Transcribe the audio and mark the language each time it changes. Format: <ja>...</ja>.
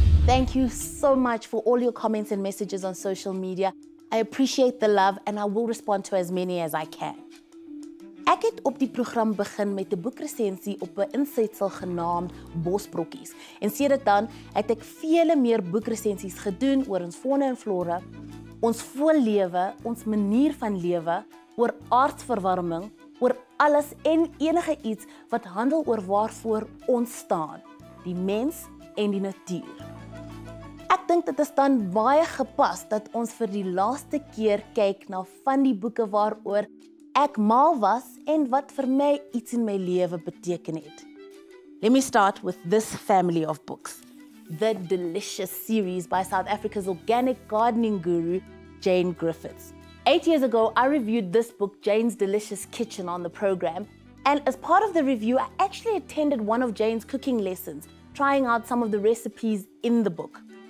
<en>Thank you so much for all your comments and messages on social media. I appreciate the love and I will respond to as many as I can.</en> <af>Ek het op die program begin met 'n boekresensie op 'n insetsel genaamd Bosbrokkies. En sedert dan het ek vele meer boekresensies gedoen oor ons fauna en flora, ons voellewe, ons manier van lewe, oor aardverwarming, oor alles en enige iets wat handel oor waarvoor ons staan, die mens en die natuur. Ek dink dit is dan baie gepas dat ons vir die laaste keer kyk na van die boeke waaroor ek mal was en wat vir my iets in my lewe beteken het.</af> <en>Let me start with this family of books. The Delicious series by South Africa's organic gardening guru, Jane Griffiths. 8 years ago, I reviewed this book, Jane's Delicious Kitchen, on the program. And as part of the review, I actually attended one of Jane's cooking lessons, trying out some of the recipes in the book.</en>